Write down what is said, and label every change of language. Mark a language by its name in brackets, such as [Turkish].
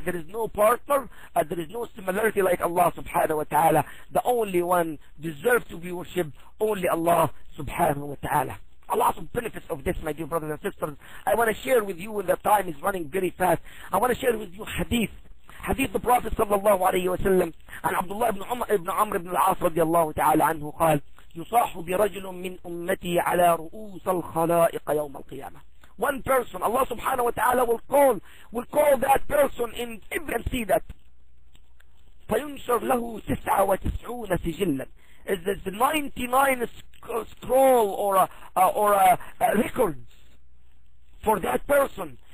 [English] There is no partner, there is no similarity like Allah subhanahu wa ta'ala. The only one deserves to be worshipped, only Allah subhanahu wa ta'ala. A lot of benefits of this, my dear brothers and sisters. I want to share with you, when the time is running very fast, I want to share with you hadith. [Arabic] حديث النبي صلى الله عليه وسلم عن عبد الله بن عمر بن عمرو بن العاص رضي الله تعالى عنه قال يصاح برجل من امتي على رؤوس الخلائق يوم القيامه. [English] One person, Allah subhanahu wa ta'ala will call that person in every seed that [Arabic] فينشر له 99 سجلا. [English] Is the 99 scroll or a records for that person.